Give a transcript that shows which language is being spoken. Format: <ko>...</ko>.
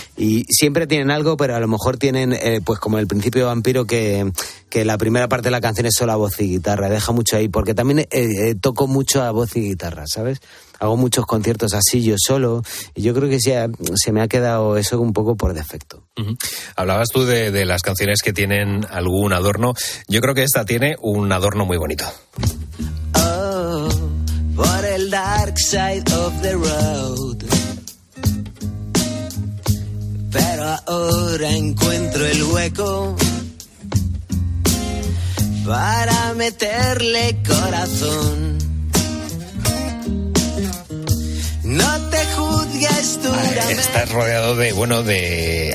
<es>Y siempre tienen algo, pero a lo mejor tienen, pues como el principio de Vampiro, que la primera parte de la canción es solo a voz y guitarra, deja mucho ahí, porque también toco mucho a voz y guitarra, ¿sabes? Hago muchos conciertos así yo solo, y yo creo que sí, se me ha quedado eso un poco por defecto. Uh-huh. Hablabas tú de las canciones que tienen algún adorno. Yo creo que esta tiene un adorno muy bonito.</es> <en>Oh, what a dark side of the road.</en> <es>Pero ahora encuentro el hueco para meterle corazón. No te juzgues duramente. Estás rodeado de, bueno, de...</es>